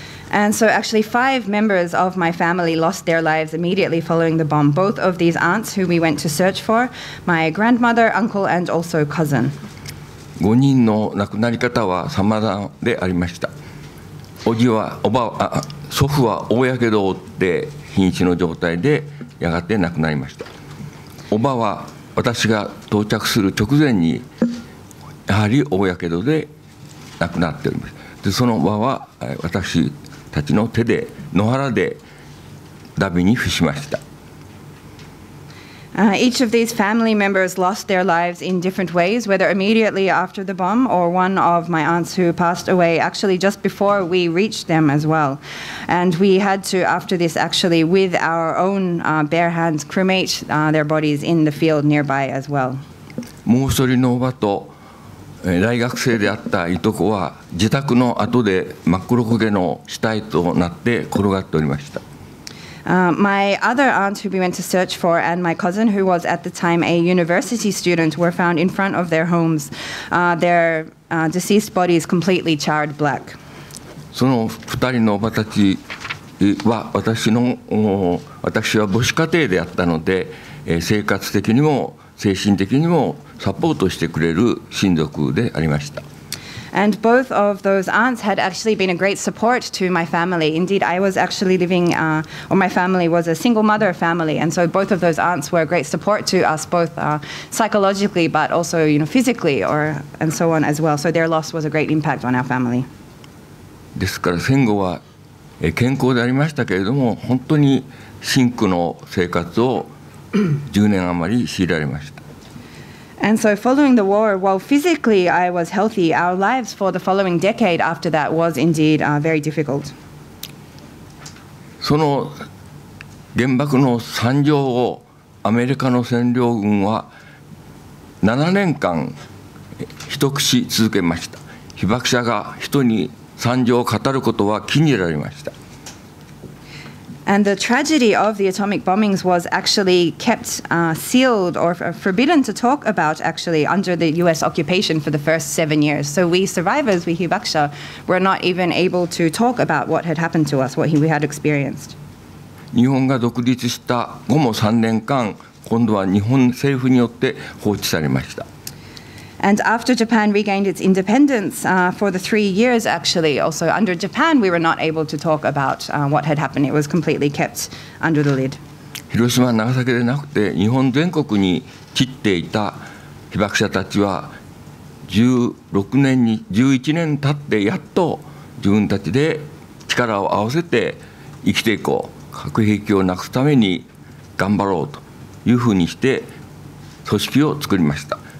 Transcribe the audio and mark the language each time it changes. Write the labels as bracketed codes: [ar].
[en] And so actually 5 members of my family lost their lives immediately following the bomb. Both of these aunts who we went to search for, my grandmother, uncle, and also cousin. [ja] 5人の亡くなり方は様々でありました。おじは、おば、祖父は大やけどを負って瀕死の状態でやがて亡くなりました。おばは私が到着する直前にやはり大やけどで亡くなっております。でそのおばは私たちの手で野原でダビに伏しました。 [en] Each of these family members lost their lives in different ways, whether immediately after the bomb or one of my aunts who passed away actually just before we reached them as well. And we had to, after this, actually with our own bare hands, cremate their bodies in the field nearby as well. [ja] もう一人のおばと大学生であったいとこは自宅の後で真っ黒焦げの死体となって転がっておりました。 [en] My other aunt who we went to search for and my cousin who was at the time a university student were found in front of their homes, their deceased bodies completely charred black. [ja] その2人のおばたちは私は母子家庭であったので、生活的にも精神的にもサポートしてくれる親族でありました。 [en] And both of those aunts had actually been a great support to my family. Indeed, I was actually living, or my family was a single mother family. And so both of those aunts were a great support to us, both psychologically, but also, you know, physically, or, and so on as well. So their loss was a great impact on our family. [ja] ですから戦後は健康でありましたけれども、本当に辛苦の生活を10年余り強いられました。 [en] And so following the war, while physically I was healthy, our lives for the following decade after that was indeed very difficult. [ja] その原爆の惨状をアメリカの占領軍は7年間秘匿し続けました。被爆者が人に惨状を語ることは禁じられました。 [en] And the tragedy of the atomic bombings was actually kept sealed or forbidden to talk about actually under the US occupation for the first 7 years. So we survivors, we Hibakusha, were not even able to talk about what had happened to us, what we had experienced. [ja] 日本が独立した後も3年間、今度は日本政府によって放置されました。 [en] And after Japan regained its independence for the 3 years, actually, also under Japan, we were not able to talk about what had happened. It was completely kept under the lid. [ja] 広島、長崎でなくて日本全国に散っていた被爆者たちは11年経ってやっと自分たちで力を合わせて生きていこう、核兵器をなくすために頑張ろうというふうにして組織を作りました。